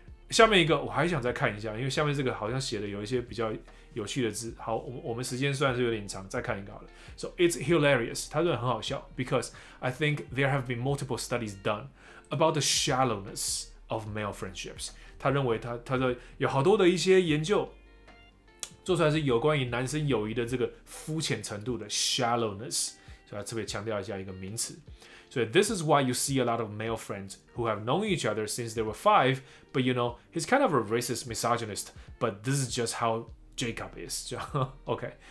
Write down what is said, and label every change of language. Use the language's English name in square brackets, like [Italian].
[Chinese] 下面一个我还想再看一下，因为下面这个好像写的有一些比较有趣的字。好，我们时间虽然是有点长，再看一个好了。 [English] So it's hilarious， [Chinese] 他认为很好笑 [English] ，because I think there have been multiple studies done about the shallowness of male friendships。 [Chinese] 他认为他说有好多的一些研究做出来是有关于男生友谊的这个肤浅程度的 shallowness， 所以他特别强调一下一个名词。 [English] 所以 this is why you see a lot of male friends who have known each other since they were five， but you know he's kind of a racist misogynist， but this is just how Jacob is， 就 OK。